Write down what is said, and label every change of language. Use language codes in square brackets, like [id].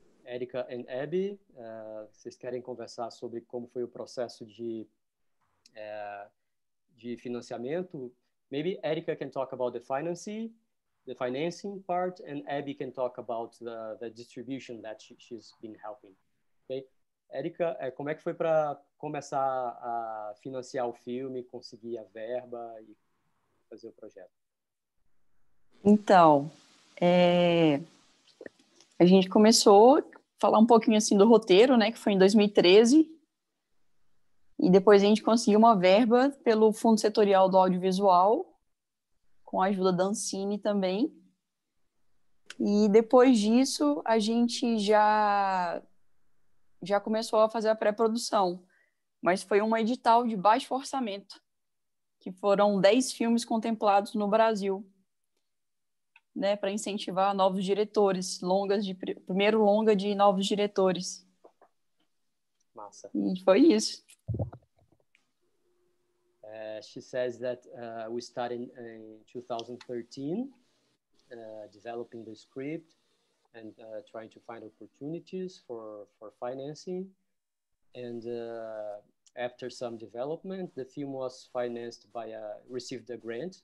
[pt] Erika and Hebe, vocês querem conversar sobre como foi o processo de financiamento? [en] Maybe Erika can talk about the financing part, and Hebe can talk about the distribution that she's been helping. Okay? [pt] Erika, como é que foi para começar a financiar o filme, conseguir a verba e fazer o projeto? Então, a gente começou... Falar um pouquinho assim do roteiro, né, que foi em 2013, e depois a gente conseguiu uma verba pelo Fundo Setorial do Audiovisual, com a ajuda da Ancine também, e depois disso a gente já começou a fazer a pré-produção, mas foi um edital de baixo orçamento, que foram 10 filmes contemplados no Brasil, né, para incentivar novos diretores, longas de primeiro longa de novos diretores. Massa. E foi isso. [en] She says that we started in 2013, developing the script and trying to find opportunities for financing. And after some development, the film was financed by received a grant.